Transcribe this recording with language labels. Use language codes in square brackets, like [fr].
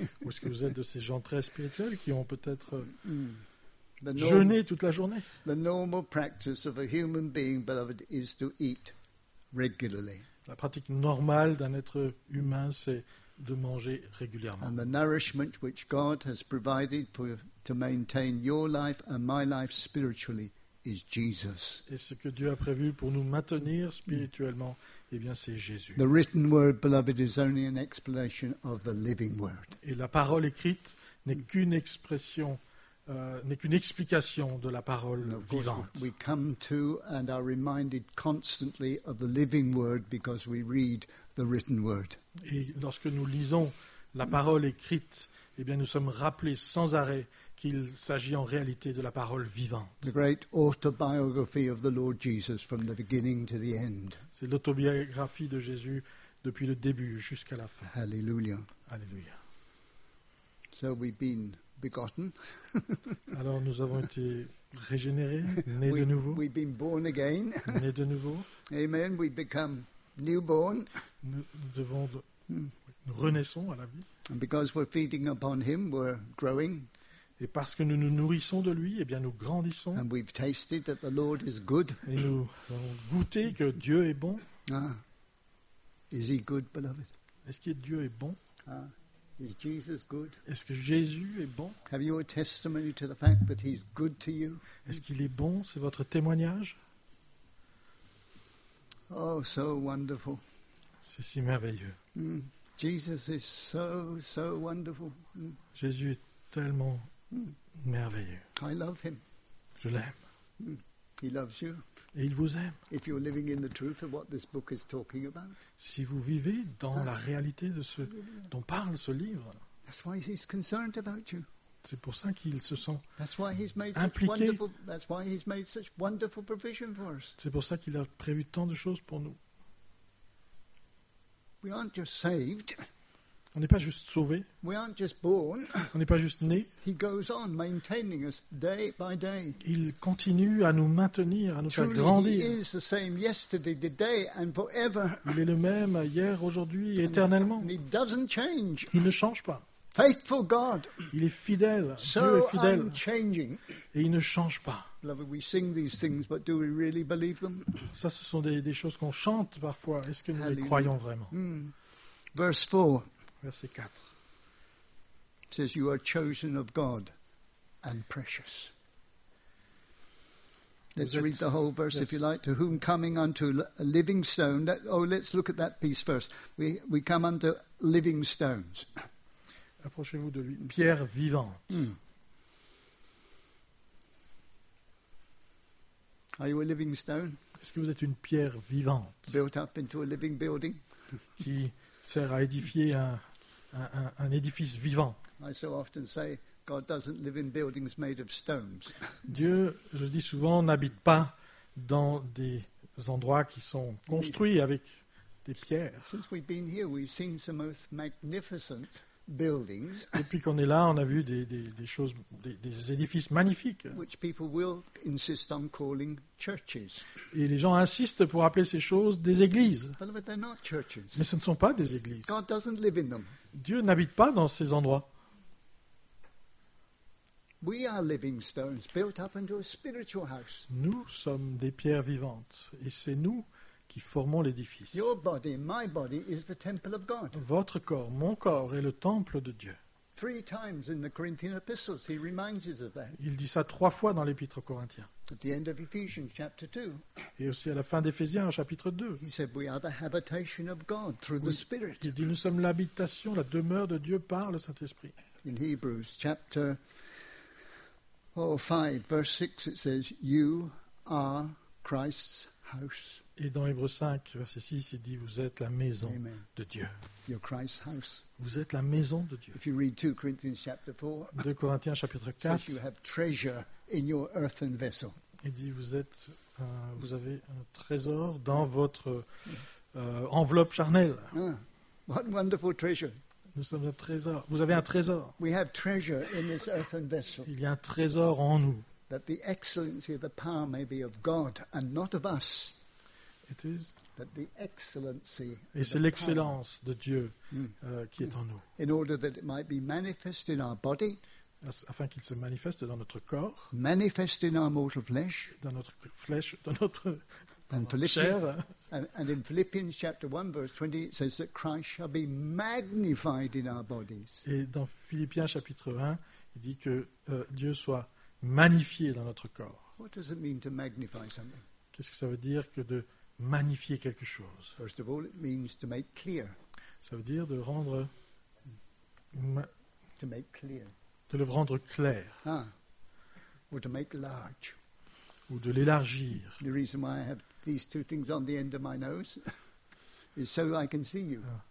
[fr] Ou est-ce que vous êtes de ces gens très spirituels qui ont peut-être jeûné toute la journée? [en] The normal practice of a human being, beloved, is to eat regularly. [fr] La pratique normale d'un être humain, c'est de manger régulièrement. [en] And the nourishment which God has provided for to maintain your life and my life spiritually is Jesus. [fr] Et ce que Dieu a prévu pour nous maintenir spirituellement, eh bien, c'est Jésus. [en] The written word, beloved, is only an explanation of the living word. [fr] Et la parole écrite n'est qu'une expression, n'est qu'une explication de la parole vivante. [en] We come to and are reminded constantly of the living word because we read the written word. [fr] Et lorsque nous lisons la parole écrite, eh bien, nous sommes rappelés sans arrêt qu'il s'agit en réalité de la parole vivante. [en] The great autobiography of the Lord Jesus from the beginning to the end. [fr] C'est l'autobiographie de Jésus depuis le début jusqu'à la fin. [en] Hallelujah. [fr] Alléluia. [en] So we've been begotten. [fr] Alors nous avons été régénérés, nés de nouveau. [en] We've been born again. [fr] Nés de nouveau. [en] Amen. We become newborn. [fr] Nous devons nous renaissons à la vie. [en] And because we're feeding upon him, we're growing. [fr] Et parce que nous nous nourrissons de lui, eh bien nous grandissons. [en] And we've tasted that the Lord is good. [fr] Et nous avons goûté que Dieu est bon. [en] Ah. Is he good, beloved? [fr] Est-ce que Dieu est bon? [en] Ah. Is Jesus good? [fr] Est-ce que Jésus est bon? [en] Have you a testimony to the fact that he's good to you? [fr] Est-ce qu'il est bon? C'est votre témoignage? [en] Oh, so wonderful. [fr] C'est si merveilleux. Mm. [en] Jesus is so, so wonderful. Mm. [fr] Jésus est tellement merveilleux. [en] I love him. [fr] Je l'aime. [en] He loves you. [fr] Et il vous aime. [en] If you're living in the truth of what this book is talking about. [fr] Si vous vivez dans la réalité de ce dont parle ce livre. [en] That's why he's concerned about you. [fr] C'est pour ça qu'il se sent [en] that's why he's made [fr] impliqué. [en] Such wonderful, that's why he's made such wonderful provision for us. [fr] C'est pour ça qu'il a prévu tant de choses pour nous. [en] We aren't just saved. [fr] On n'est pas juste sauvé. [en] We aren't just born. [fr] On n'est pas juste né. [en] He goes on maintaining us day by day. [fr] Il continue à nous maintenir, à nous [en] truly [fr] faire grandir. [en] He is the same yesterday, today, and forever. [fr] Il est le même hier, aujourd'hui, éternellement. [en] And he doesn't change. [fr] Il ne change pas. [en] Faithful God. [fr] Il est fidèle. [en] So [fr] Dieu est fidèle. [en] Unchanging. [fr] Et il ne change pas. [en] Beloved, we sing these things, but do we really believe them? [fr] Ça, ce sont des choses qu'on chante parfois. Est-ce que nous les croyons vraiment? [en] Mm. Verse 4. [fr] Verset [en] 4. It says, you are chosen of God and precious. Let's read the whole verse, yes, if you like. To whom coming unto a living stone. Let's look at that piece first. We come unto living stones. [fr] Approchez-vous de lui. Pierre vivante. Mm. [en] Are you a living stone? [fr] Est-ce que vous êtes une pierre vivante? [en] Built up into a living building. [fr] Qui sert à édifier un édifice vivant. [en] I so often say God doesn't live in buildings made of stones. [fr] Dieu, je dis souvent, n'habite pas dans des endroits qui sont construits avec des pierres. [en] Since we've been here, we've seen some most magnificent buildings. [fr] Depuis qu'on est là, on a vu des édifices magnifiques. [en] Which people will insist on calling churches. [fr] Et les gens insistent pour appeler ces choses des églises. [en] But they're not churches. [fr] Mais ce ne sont pas des églises. [en] God doesn't live in them. [fr] Dieu n'habite pas dans ces endroits. [en] We are living stones built up into a spiritual house. [fr] Nous sommes des pierres vivantes et c'est nous qui formons l'édifice. [en] Your body, my body, is the temple of God. [fr] Votre corps, mon corps, est le temple de Dieu. [en] Three times in the Corinthian epistles, he reminds us of that. [fr] Il dit ça trois fois dans l'épître aux Corinthiens. [en] At the end of Ephesians chapter 2. [fr] Et aussi à la fin d'Éphésiens au chapitre 2. [en] He said we are the habitation of God through the Spirit. [fr] Il dit nous sommes l'habitation, la demeure de Dieu par le Saint-Esprit. [en] In Hebrews chapter 5 verse 6 it says you are Christ's house. [fr] Et dans Hébreux 5, verset 6, il dit, vous êtes la maison [en] Amen. [fr] De Dieu. [en] You're Christ's house. [fr] Vous êtes la maison de Dieu. [en] If you read 2 Corinthians chapter 4, [fr] 2 Corinthiens chapitre 4, [en] you have treasure in your earthen vessel. [fr] Il dit, vous avez un trésor dans votre enveloppe charnelle. [en] Ah, what wonderful treasure. [fr] Nous sommes un trésor. Vous avez un trésor. [en] We have treasure in this earthen vessel. [fr] Il y a un trésor en nous. [en] That the excellency of the power may be of God and not of us. It is. That the excellency [fr] et c'est l'excellence de Dieu qui est en nous. [en] In order that it might be manifest in our body, [fr] afin qu'il se manifeste dans notre corps, [en] manifest in our mortal flesh, [fr] dans notre [en] flesh, [fr] dans notre chair. [en] And in Philippians chapter 1 verse 20 it says that Christ shall be magnified in our bodies. [fr] Et dans Philippiens chapitre 1, il dit que Dieu soit magnifié dans notre corps. [en] What does it mean to magnify something? [fr] Qu'est-ce que ça veut dire que de magnifier quelque chose? [en] First of all, it means to make clear. [fr] Ça veut dire de rendre [en] to make clear. [fr] De le rendre clair. [en] Ah. Or to make large. [fr] Ou de l'élargir. [en] The reason why I have these two things on the end of my nose is so I can see you.